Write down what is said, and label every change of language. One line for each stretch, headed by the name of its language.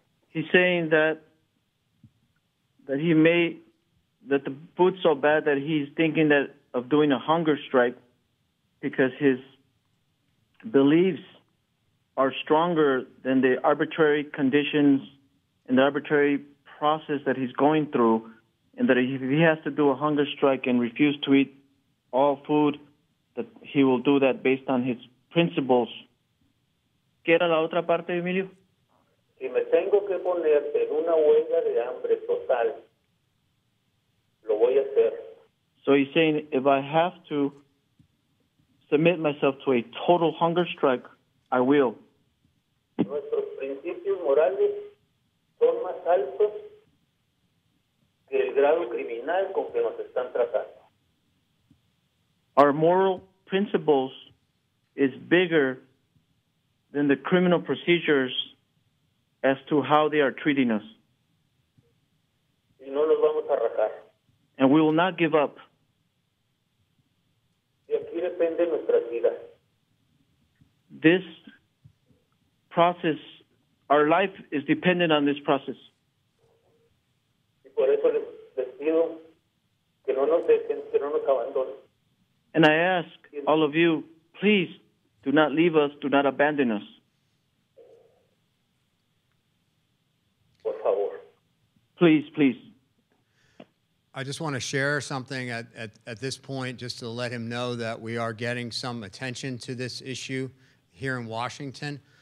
English: He's saying that the food's so bad that he's thinking that of doing a hunger strike because his beliefs are stronger than the arbitrary conditions and the arbitrary process that he's going through, and that if he has to do a hunger strike and refuse to eat all food, that he will do that based on his principles.
Spanish: ¿Qué era la otra parte, Emilio? Si me tengo que poner en una huelga de hambre total, lo voy a hacer.
English: So he's saying, if I have to submit myself to a total hunger strike, I will.
Spanish: Nuestros principios morales son más altos que el grado criminal con que nos están tratando.
English: Our moral principles is bigger than the criminal procedures as to how they are treating us.
Spanish: Y no nos vamos a rajar.
English: And we will not give up.
Spanish: Y aquí depende nuestras vidas.
English: This process, our life is dependent on this process.
Spanish: Y por eso les pido que no nos dejen, que no nos abandonen.
English: And I ask all of you, please, do not leave us, do not abandon us. Please, please. I just want to share something at this point, just to let him know that we are getting some attention to this issue here in Washington.